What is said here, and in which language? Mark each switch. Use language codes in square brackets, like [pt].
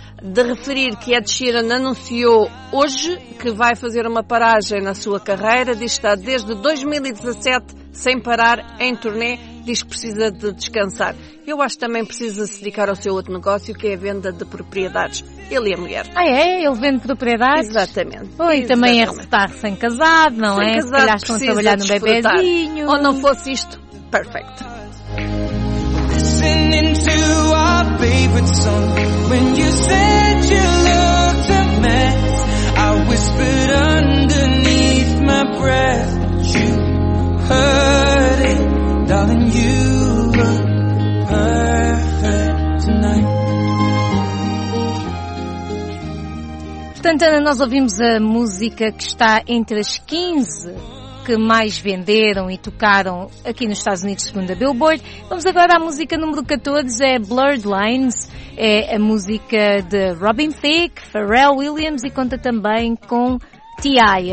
[pt] De referir que Ed Sheeran anunciou hoje que vai fazer uma paragem na sua carreira, diz que está desde 2017 sem parar em turnê, diz que precisa de descansar. Eu acho que também precisa se dedicar ao seu outro negócio, que é a venda de propriedades. Ele e a mulher. Ah, é? Ele vende propriedades? Exatamente. Ou e também é estar sem casado, não sem é? Casado, se calhar estão a trabalhar no bebezinho. Ou não fosse isto, perfect. [en] Listening to our favorite song. When you said you looked a mess, I whispered underneath my breath, you heard it, darling, you look perfect tonight. [pt] Portanto, Ana, nós ouvimos a música que está entre as 15 que mais venderam e tocaram aqui nos Estados Unidos, segundo a Billboard. Vamos agora à música número 14, é Blurred Lines. É a música de Robin Thicke, Pharrell Williams, e conta também com T.I.